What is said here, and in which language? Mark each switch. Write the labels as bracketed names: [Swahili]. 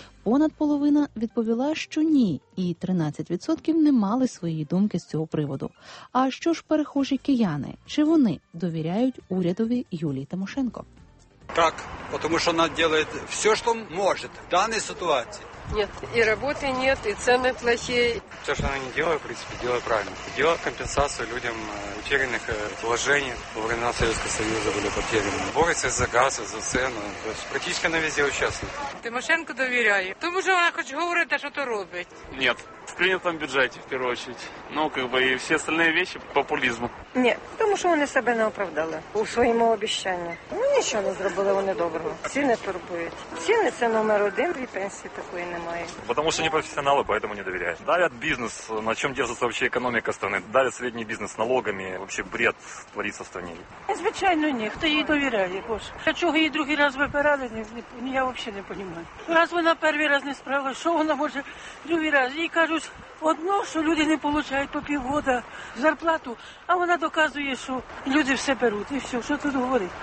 [Ukrainian] Понад половина відповіла, що ні, і 13% не мали своєї думки з цього приводу. А що ж перехожі кияни? Чи вони довіряють урядові Юлії Тимошенко? Так, тому що вона робить все, що може в даній ситуації. [Russian] Нет, и работы нет, и цены плохие. Все, что она не делает, в принципе, делает правильно. Делает компенсацию людям утерянных вложений во времена Советского Союза были потеряны. Борется за газ, за цену. То есть практически она везде участвует. Тимошенко доверяю. Тому что она хоть говорит, а что-то робит. Нет, в принятом бюджете, в первую очередь. Ну, как бы и все остальные вещи популизму. Нет, потому что они себя не оправдали у своему обещанию. Ну, ничего не сделали они доброго. Цены турбуют. Цены – это номер один при пенсии такой. [Ukrainian] Немає. [Russian] Потому что не профессионалы, поэтому не доверяют. Давят бизнес, на чем держится вообще экономика страны. Давят средний бизнес налогами, вообще бред творится в стране. [Ukrainian] Звичайно, ні, хто їй довіряє, Боже. А чого її другий раз вибирали, ні, я взагалі не розумію. Раз вона перший раз не справилась, що вона може другий раз? Їй кажуть одно, що люди не отримують по півгода зарплату, а вона доказує, що люди все беруть. І все, що тут говорить?